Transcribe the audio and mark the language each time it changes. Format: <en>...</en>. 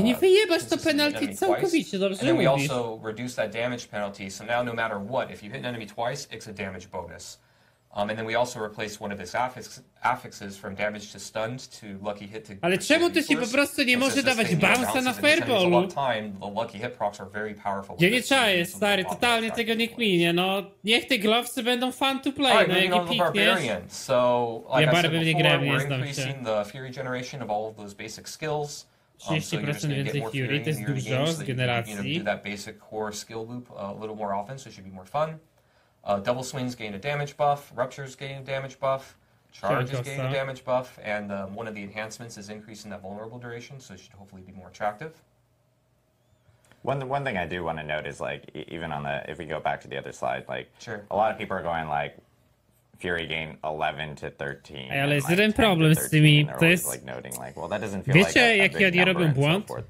<pl>nie wyjebasz to penalty całkowicie, dobrze mówisz.</pl> <en>And then we also reduce that damage penalty, so now no matter what, if you hit an enemy twice, it's a damage bonus. And then we also replace one of his affixes from damage to stunned to lucky hit to.</en> <pl>Ale czemu to się po prostu nie może dawać bounce na fireballu?</pl> <en>The lucky hit procs are very powerful.</en> <pl>Ja nie czaję, stary, totalnie tego nie kminię. No, niech te glovesy będą</pl> <en>fun to play,</en> <pl>no jak i pikniesz. Ja barwy nie grałem, nie znam się.</pl> <en>We're increasing the fury generation of all of those basic skills.</en> <pl>30% więcej fury, to jest dużo z generacji.</pl> <en>You know, do that basic core skill loop a little more often, so it should be more fun. Double swings gain a damage buff, ruptures gain a damage buff, charges gain a damage buff, and one of the enhancements is increasing that vulnerable duration, so it should hopefully be more attractive. One thing I do want to note is, like, even on the, if we go back to the other slide, like, sure. A lot of people are going, like, Fury gain 11 to 13.</en> <pl>Ale</pl> <en>like</en> <pl>jest jeden problem z tymi. To jest. Wiecie, jaki oni robią błąd?</pl>